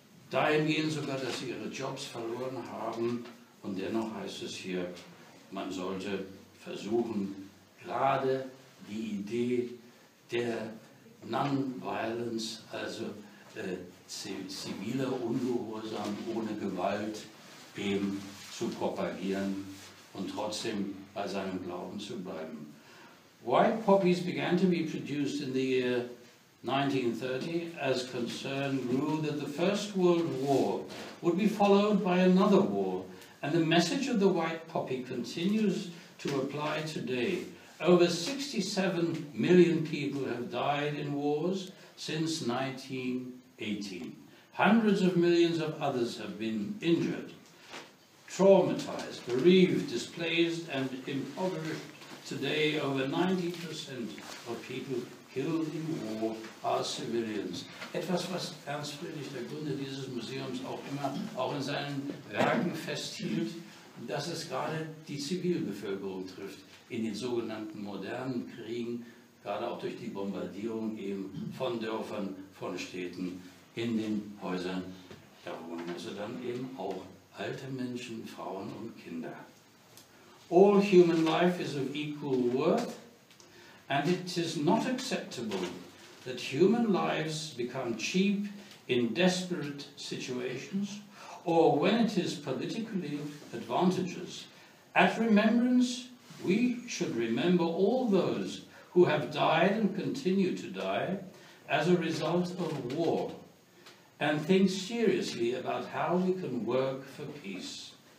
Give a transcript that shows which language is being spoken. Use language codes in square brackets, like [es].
[de] dahingehend sogar, dass sie ihre Jobs verloren haben, und dennoch heißt es hier, man sollte versuchen, gerade die Idee der Non-Violence, also ziviler Ungehorsam ohne Gewalt, eben zu propagieren und trotzdem bei seinem Glauben zu bleiben. [en] White poppies began to be produced in the year 1930 as concern grew that the First World War would be followed by another war, and the message of the white poppy continues to apply today. Over 67 million people have died in wars since 1918. Hundreds of millions of others have been injured, traumatized, bereaved, displaced, and impoverished. Today, over 90% of people killed in war are civilians. [de] Etwas, was Ernst Friedrich, der Gründer dieses Museums, auch immer auch in seinen Werken festhielt, dass es gerade die Zivilbevölkerung trifft, in den sogenannten modernen Kriegen, gerade auch durch die Bombardierung eben von Dörfern, von Städten, in den Häusern, da wohnen also dann eben auch alte Menschen, Frauen und Kinder. [en] All human life is of equal worth, and it is not acceptable that human lives become cheap in desperate situations, or when it is politically advantageous. At remembrance, we should remember all those who have died and continue to die as a result of war, and think seriously about how we can work for peace.